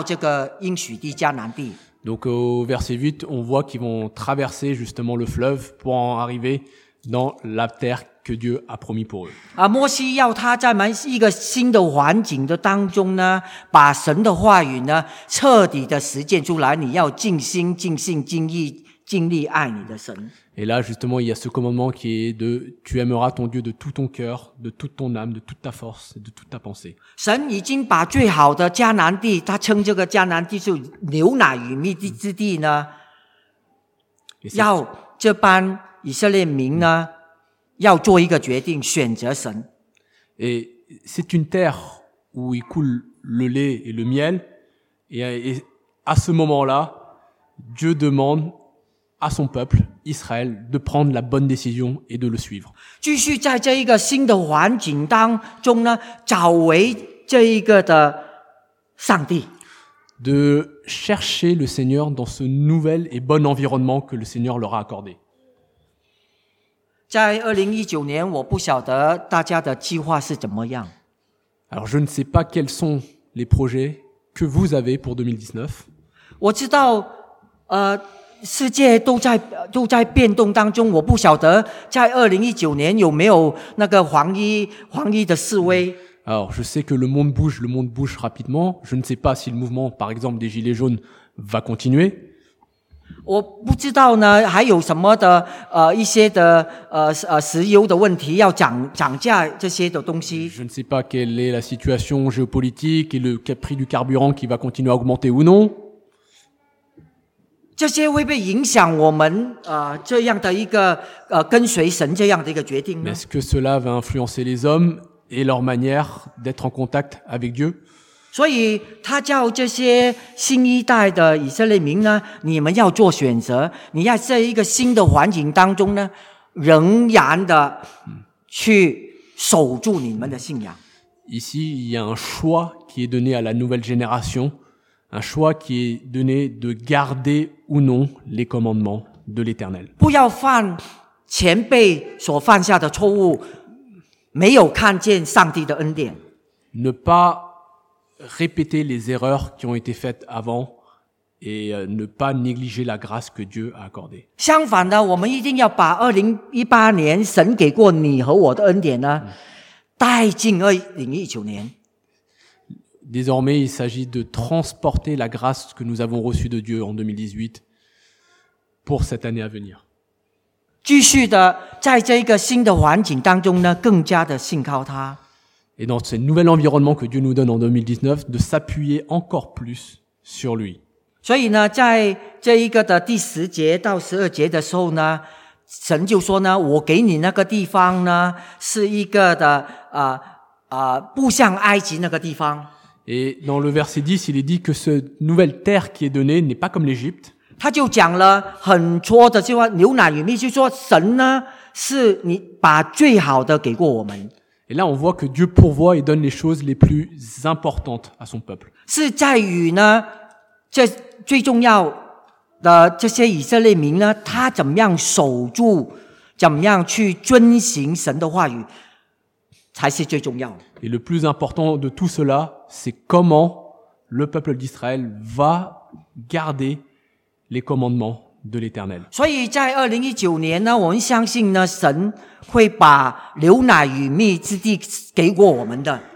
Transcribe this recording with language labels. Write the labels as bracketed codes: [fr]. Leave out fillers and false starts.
[zh] 所以到了这个的第八节的时候呢，以色列的新的一代呢，他就过约旦河呢，他要跨越边界呢，就进到这个应许地迦南地。 [fr] Donc au verset 8, on voit qu'ils vont traverser justement le fleuve pour en arriver dans la terre que Dieu a promis pour eux. [zh] 摩西要他在一个新的环境的当中呢，把神的话语呢，彻底的实践出来，你要尽心、尽性、尽意、尽力爱你的神。 [fr] Et là, justement, il y a ce commandement qui est de « Tu aimeras ton Dieu de tout ton cœur, de toute ton âme, de toute ta force, de toute ta pensée. » Et c'est une terre où il coule le lait et le miel. Et à ce moment-là, Dieu demande à son peuple, Israël, de prendre la bonne décision et de le suivre. Donc de chercher le Seigneur dans ce nouvel et bon environnement que le Seigneur leur a accordé. [zh] 在2019年，我不晓得大家的计划是怎么样。 [fr] Alors, je ne sais pas quels sont les projets que vous avez pour 2019. [zh] 我知道，世界都在变动当中，我不晓得在2019年有没有那个黄衣的示威。 [fr] Alors, je sais que le monde bouge rapidement. Je ne sais pas si le mouvement, par exemple, des gilets jaunes va continuer. [zh] 我不知道呢，还有什么的一些的石油的问题要涨价这些的东西。 [fr] Je ne sais pas quelle est la situation géopolitique et le prix du carburant qui va continuer à augmenter ou non. [zh] 这些会不会影响我们这样的一个跟随神这样的一个决定呢？ [fr] Mais est-ce que cela va influencer les hommes et leur manière d'être en contact avec Dieu？ [zh] 所以他叫这些新一代的以色列民呢，你们要做选择，你要在一个新的环境当中呢，仍然的去守住你们的信仰。 [fr] Ici, il y a un choix qui est donné à la nouvelle génération, un choix qui est donné de garder ou non les commandements de l'Éternel. [zh] 不要犯前辈所犯下的错误，没有看见上帝的恩典。 [fr] Ne pas répéter les erreurs qui ont été faites avant et ne pas négliger la grâce que Dieu a accordée. [zh] 相反的，我们一定要把2018年神给过你和我的恩典呢，带进2019年。 [fr] Désormais, il s'agit de transporter la grâce que nous avons reçue de Dieu en 2018 pour cette année à venir. [zh] 继续的，在这个新的环境当中呢，更加的信靠他。 [fr] Et dans ce nouvel environnement que Dieu nous donne en 2019, de s'appuyer encore plus sur lui. [zh] 所以呢，在这一个的第十节到十二节的时候呢，神就说呢，我给你那个地方呢，是一个的不像埃及那个地方。 [fr] Et dans le verset 10, il est dit que ce nouvelle terre qui est donnée n'est pas comme l'Égypte. [zh] 他就讲了很多的这话，牛奶与蜜，就说神呢，是你把最好的给过我们。 [fr] Et là, on voit que Dieu pourvoit et donne les choses les plus importantes à son peuple. [zh] 是在于呢，这最重要的这些以色列民呢，他怎么样守住，怎么样去遵行神的话语，才是最重要的。 [fr] Et le plus important de tout cela, c'est comment le peuple d'Israël va garder les commandements de l'Éternel. [zh] 所以在2019年呢，我们相信呢，神会把牛奶与蜜之地给过我们的。